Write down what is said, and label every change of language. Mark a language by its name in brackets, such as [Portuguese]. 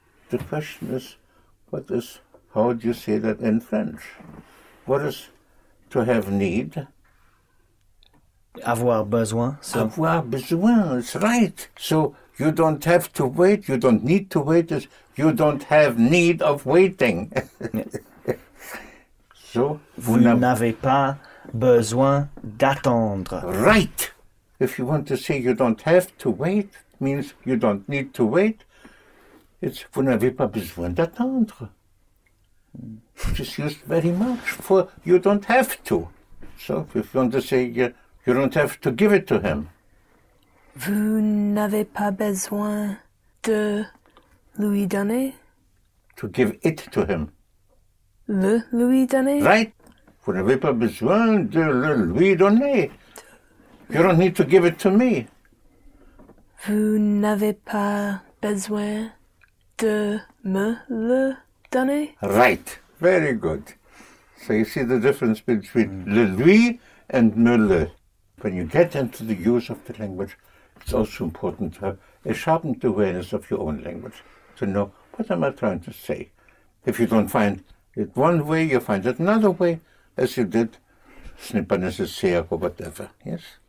[English] The question is, what is... how do you say that in French? What is to have need? [French] Avoir besoin. [English] So. [French] Avoir besoin, [English] that's right. So you don't have to wait, you don't need to wait, you don't have need of waiting. So [French] vous n'avez pas besoin d'attendre. [English] Right. If you want to say you don't have to wait, means you don't need to wait, it's [French] vous n'avez pas besoin d'attendre. [English] Which is used very much for you don't have to. So if you want to say you don't have to give it to him. [French] Vous n'avez pas besoin de lui donner? [English] To give it to him. [French] Le lui donner? [English] Right. [French] Vous n'avez pas besoin de le lui donner. [English] You don't need to give it to me. [French] Vous n'avez pas besoin de me le donner? [English] Right. Very good. So you see the difference between le lui and me le. When you get into the use of the language, it's also important to have a sharpened awareness of your own language to know, what am I trying to say? If you don't find it one way, you find it another way, as you did, [French] ce n'est pas nécessaire [English] or whatever, yes?